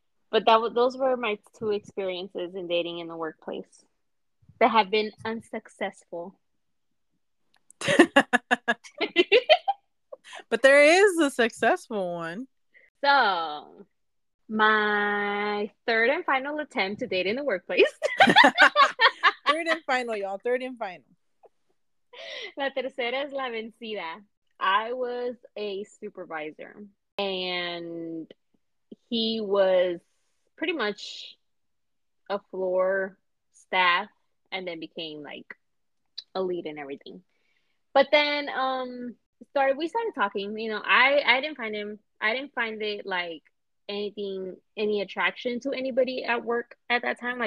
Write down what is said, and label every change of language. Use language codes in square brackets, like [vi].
[en] But that those were my two experiences in dating in the workplace that have been unsuccessful. But there is a successful one. So, my third and final attempt to date in the workplace. Third and final, y'all. Third and final. [es] La tercera es la vencida. [en] I was a supervisor. And he was pretty much a floor staff. And then became like a lead and everything. But then we started talking. You know, I didn't find it like any attraction to anybody at work at that time.